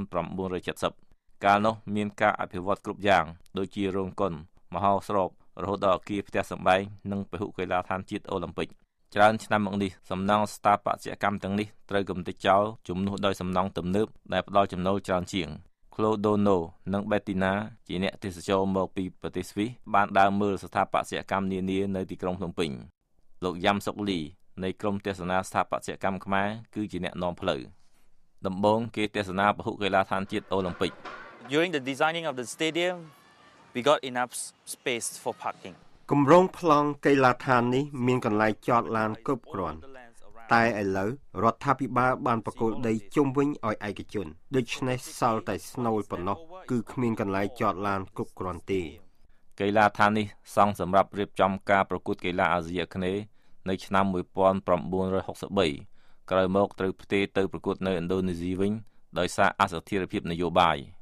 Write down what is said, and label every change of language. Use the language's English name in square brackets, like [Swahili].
[Khmer] 1970កាលនោះមានការអភិវឌ្ឍគ្រប់យ៉ាងដូចជារោងកុនមហោស្រពរហូតដល់អគារផ្ទះសម្បែងនិងពហុកីឡាដ្ឋានជាតិអូឡាំពិកច្រើនឆ្នាំមកនេះសំណង់ស្ថាបត្យកម្មទាំងនេះត្រូវកម្ទេចចោលជំនួសដោយសំណង់ទំនើបដែលផ្ដល់ចំណូលច្រើនជាង Clodono និង Bettina ជាអ្នកទេសចរមកពីប្រទេសស្វីសបានដើរមើលស្ថាបត្យកម្មនានានៅទីក្រុងភ្នំពេញ លោកយ៉ាំសុកលីនៃក្រុមទេសនាស្ថាបត្យកម្មខ្មែរគឺជាអ្នកនាំផ្លូវដំបូងគេទេសនាពហុកីឡាដ្ឋានជាតិអូឡាំពិក [English] During the designing of the stadium we got enough space for parking [Khmer] គម្រោងប្លង់កីឡាដ្ឋាននេះមានកន្លែងចតឡានគ្រប់គ្រាន់តែឥឡូវរដ្ឋាភិបាលបានប្រគល់ដីជុំវិញឲ្យឯកជនដូច្នេះសល់តែស្នូលប៉ុណ្ណោះគឺគ្មានកន្លែងចតឡានគ្រប់គ្រាន់ទេ កីឡាដ្ឋាននេះសង់សម្រាប់រៀបចំការប្រកួតកីឡាអាស៊ីអាគ្នេយ៍នៅឆ្នាំ1963ក្រោយមកត្រូវផ្ទេរទៅប្រកួតនៅឥណ្ឌូនេស៊ីវិញដោយសារអស្ថិរភាពនយោបាយ